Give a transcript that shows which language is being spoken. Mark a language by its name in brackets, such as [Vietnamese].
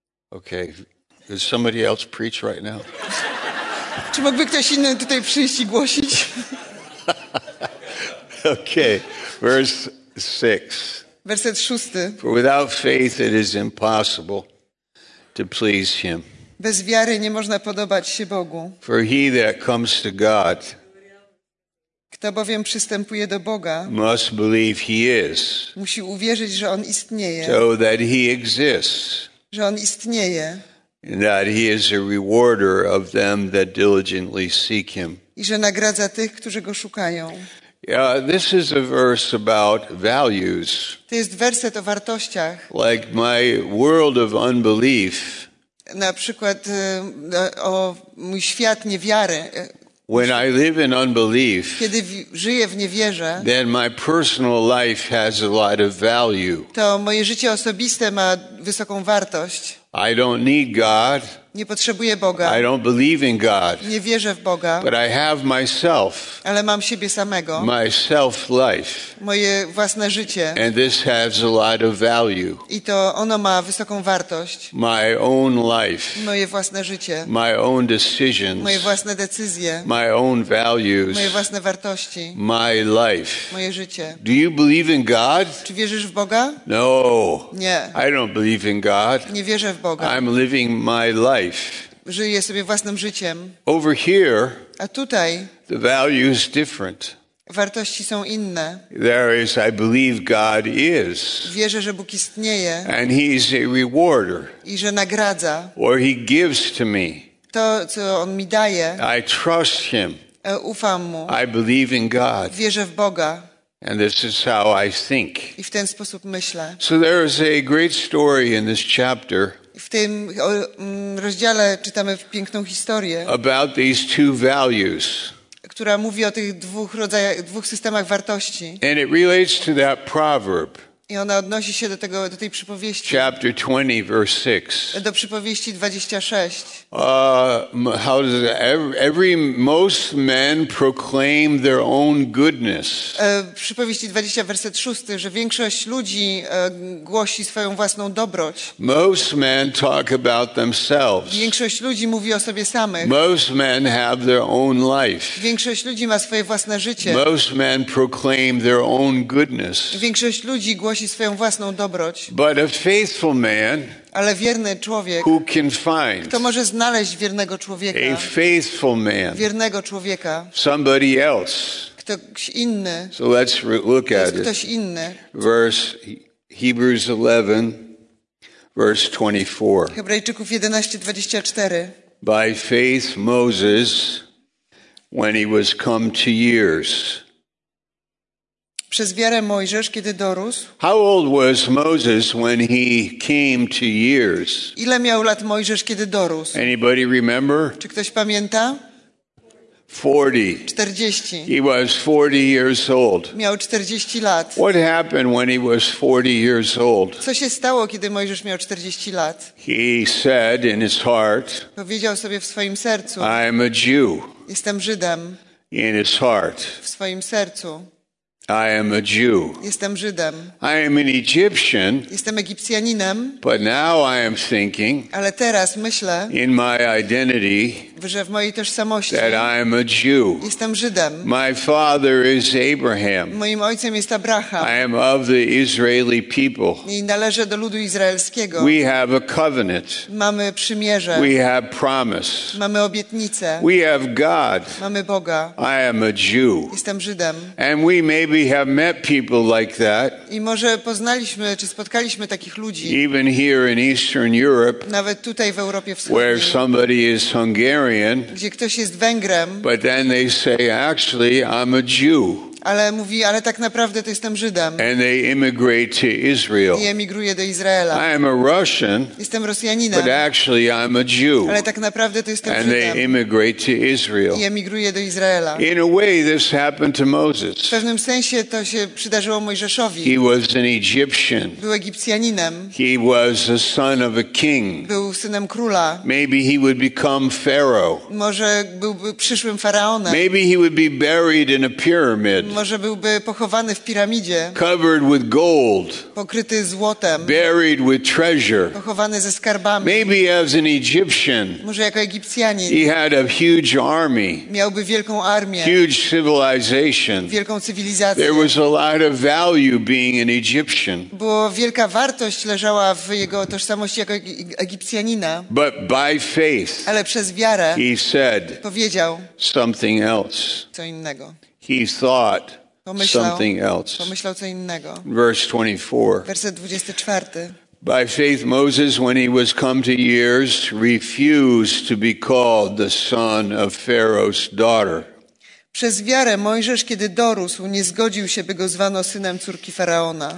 [English] Okay, does somebody else preach right now? [Polish] Czy mógłby ktoś inny tutaj przyjść i głosić? [English] Okay, verse 6. [Polish] Werset 6. [English] For without faith it is impossible to please Him. [Polish] Bez wiary nie można podobać się Bogu. [English] For he that comes to God, [Polish] kto bowiem przystępuje do Boga, [English] must believe He is. [Polish] Musi uwierzyć, że On istnieje. [English] So that He exists. [Polish] Że on istnieje. [English] And that he is a rewarder of them that diligently seek him. [Polish] I że nagradza tych, którzy go szukają. [English] This is a verse about values. [Polish] To jest werset o wartościach. [English] Like my world of unbelief. [Polish] Na przykład o mój świat niewiary. [English] When I live in unbelief, [Polish] kiedy żyję w niewierze, [English] then my personal life has a lot of value. [Polish] To moje życie osobiste ma wysoką wartość. [English] I don't need God. [Polish] Nie potrzebuję Boga. [English] I don't believe in God. [Polish] Nie wierzę w Boga. [English] But I have myself. [Polish] Ale mam siebie samego. [English] My self-life. [Polish] Moje własne życie. [English] And this has a lot of value. [Polish] I to ono ma wysoką wartość. [English] My own life. [Polish] Moje własne życie. [English] My own decisions. [Polish] Moje własne decyzje. [English] My own values. [Polish] Moje własne wartości. [English] My life. [Polish] Moje życie. [English] Do you believe in God? [Polish] Czy wierzysz w Boga? [English] No. [Polish] Nie. [English] I don't believe in God. [Polish] Nie wierzę w Boga. [English] I'm living my life. [Polish] Żyję sobie własnym życiem. [English] Over here. [Polish] A tutaj. [English] The value is different. [Polish] Wartości są inne. [English] There is, I believe God is. [Polish] Wierzę, że Bóg istnieje. [English] And he is a rewarder. [Polish] I że nagradza. [English] Or he gives to me. [Polish] To, co on mi daje. [English] I trust him. [Polish] Ufam mu. [English] I believe in God. [Polish] Wierzę w Boga. [English] And this is how I think. [Polish] I w ten sposób myślę. [English] So there is a great story in this chapter. [Polish] W tym rozdziale czytamy piękną historię. [English] About these two values. [Polish] Która mówi o tych dwóch systemach wartości. [English] And it relates to that proverb. [Polish] I ona odnosi się do tej przypowieści. [English] Chapter 20, verse 6. [Polish] Do przypowieści 26. [English] How does every most men proclaim their own goodness? [Polish] Przypowieści 20, werset 6, że większość ludzi głosi swoją własną dobroć. [English] Most men talk about themselves. [Polish] Większość ludzi mówi o sobie samych. [English] Most men have their own life. [Polish] Większość ludzi ma swoje własne życie. [English] Most men proclaim their own goodness. [Polish] Większość ludzi głosi swoją własną dobroć. [English] But a faithful man, [Polish] ale wierny człowiek, [English] who can find, [Polish] kto może znaleźć wiernego człowieka, [English] a faithful man, [Polish] wiernego człowieka, [English] somebody else, [Polish] ktoś inny. [English] So let's look at it. [Polish] Ktoś inny. [English] Verse Hebrews 11, verse 24. [Polish] Hebrajczyków 11:24. [English] By faith Moses, when he was come to years. [Polish] Przez wiarę Mojżesz, kiedy dorósł. [English] How old was Moses when he came to years? [Polish] Ile miał lat Mojżesz, kiedy dorósł? [English] Anybody remember? [Polish] Czy ktoś pamięta? [English] 40. [Polish] 40. [English] He was 40 years old. [Polish] Miał 40 lat. [English] What happened when he was 40 years old? [Polish] Co się stało, kiedy Mojżesz miał 40 lat? [English] He said in his heart. [Polish] Powiedział sobie w swoim sercu. [English] I am a Jew. [Polish] Jestem Żydem. [English] In his heart. [Polish] W swoim sercu. [English] I am a Jew. [Polish] Jestem Żydem. [English] I am an Egyptian. [Polish] Jestem Egipcjaninem. [English] But now I am thinking. [Polish] Ale teraz myślę. [English] In my identity. [Polish] Że w mojej tożsamości. [English] That I am a Jew. [Polish] Jestem Żydem. [English] My father is Abraham. [Polish] Moim ojcem jest Abraham. [English] I am of the Israeli people. [Polish] I należę do ludu izraelskiego. [English] We have a covenant. [Polish] Mamy przymierze. [English] We have promise. [Polish] Mamy obietnicę. [English] We have God. [Polish] Mamy Boga. [English] I am a Jew. [Polish] Jestem Żydem. [English] And we may Maybe have met people like that. [Polish] I może poznaliśmy, czy spotkaliśmy takich ludzi. [English] Even here in Eastern Europe. [Polish] Nawet tutaj w Europie Wschodniej. [English] Where somebody is Hungarian. [Polish] Gdzie ktoś jest Węgrem. [English] But then they say, actually, I'm a Jew. [Polish] Ale mówi, ale tak naprawdę to jestem Żydem. [English] And they immigrate to Israel. [Polish] I emigruje do Izraela. [English] I am a Russian. [Polish] Jestem Rosjaninem. [English] But actually I'm a Jew. [Polish] Ale tak naprawdę to jestem [English] And [Polish] Żydem. [English] They immigrate to Israel. [Polish] I emigruje do Izraela. [English] In a way this happened to Moses. [Polish] W pewnym sensie to się przydarzyło Mojżeszowi. [English] He was an Egyptian. [Polish] Był Egipcjaninem. [English] He was a son of a king. [Polish] Był synem króla. [English] Maybe he would become pharaoh. [Polish] Może byłby przyszłym faraonem. [English] Maybe he would be buried in a pyramid. [Polish] Może byłby pochowany w piramidzie. [English] Covered with gold. [Polish] Pokryty złotem. [English] Buried with treasure. [Polish] Pochowany ze skarbami. [English] Maybe as an Egyptian. [Polish] Może jako Egipcjanin. [English] He had a huge army. [Polish] Miałby wielką armię. [English] Huge civilization. [Polish] Wielką cywilizację. [English] There was a lot of value being an Egyptian. [Polish] Bo wielka wartość leżała w jego tożsamości jako Egipcjanina. [English] But by faith. [Polish] Ale przez wiarę. [English] He said. [Polish] Powiedział. [English] Something else. [Polish] Co innego. [English] He thought [Polish] pomyślał, [English] something else. [Polish] Pomyślał co innego. [English] Verse 24. [Polish] Werset 24. [English] By faith Moses, when he was come to years, refused to be called the son of Pharaoh's daughter. [Polish] Przez wiarę Mojżesz, kiedy dorósł, nie zgodził się, by go zwano synem córki Faraona.